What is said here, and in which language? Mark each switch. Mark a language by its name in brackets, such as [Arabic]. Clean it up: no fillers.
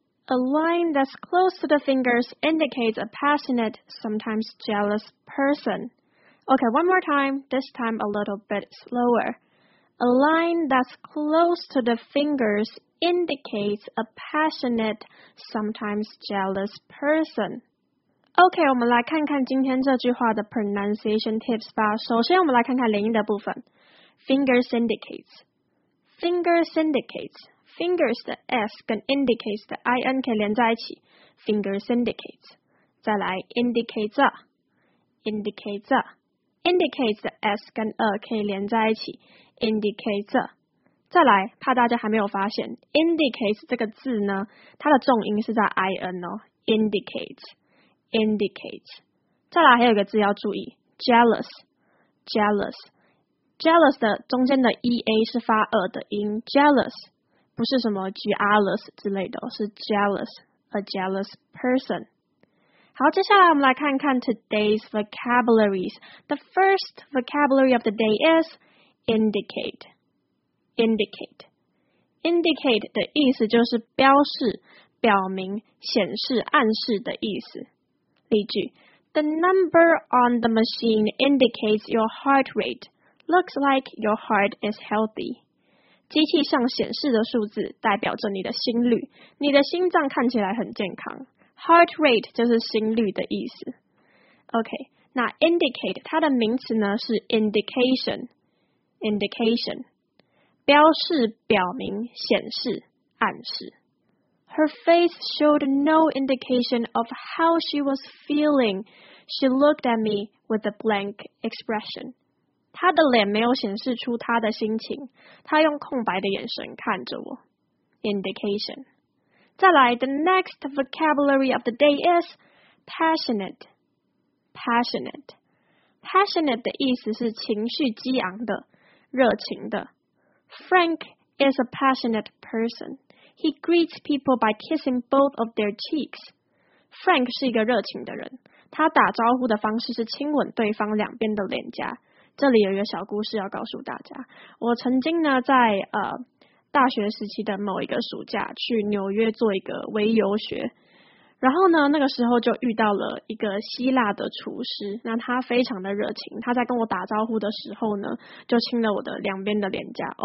[English] A line that's close to the fingers indicates a passionate, sometimes jealous person. Okay, one more time, this time a little bit slower. A line that's close to the fingers indicates a passionate, sometimes jealous person. [Chinese] Okay, 我们来看看今天这句话的 pronunciation tips 吧。首先我们来看看连音的部分。Fingers indicates. Fingers indicates. Fingers 的 S 跟 indicates 的 IN 可以连在一起 Fingers indicates 再来 indicates a Indicates a Indicates 的 S 跟 a 可以连在一起 Indicates a 再来怕大家还没有发现 Indicates 这个字呢它的重音是在 IN 哦 Indicates Indicates 再来还有一个字要注意 Jealous Jealous Jealous 的中间的 EA 是发 a 的音 Jealous不是什么 jealous 之类的，是 jealous, [English] a jealous person. [Chinese] 好，接下来我们来看看 [English] today's vocabularies. The first vocabulary of the day is indicate. Indicate. [Chinese] Indicate 的意思就是标示、表明、显示、暗示的意思。 [English] 例句 The number on the machine indicates your heart rate. Looks like your heart is healthy. [Chinese] 机器上显示的数字代表着你的心率，你的心脏看起来很健康。 Heart rate 就是心率的意思。OK, 那 indicate 它的名词呢是 indication, indication, 标示、表明、显示、暗示。 [English] Her face showed no indication of how she was feeling. She looked at me with a blank expression. [Chinese] 她的脸没有显示出她的心情，她用空白的眼神看着我。 [English] Indication. [Chinese] 再来 [English] ,the next vocabulary of the day is passionate. Passionate. [Chinese] Passionate 的意思是情绪激昂的，热情的。 [English] Frank is a passionate person. He greets people by kissing both of their cheeks. [Chinese] Frank 是一个热情的人，他打招呼的方式是亲吻对方两边的脸颊。这里有一个小故事要告诉大家。我曾经呢在大学时期的某一个暑假去纽约做一个微游学，然后呢那个时候就遇到了一个希腊的厨师，那他非常的热情，他在跟我打招呼的时候呢就亲了我的两边的脸颊。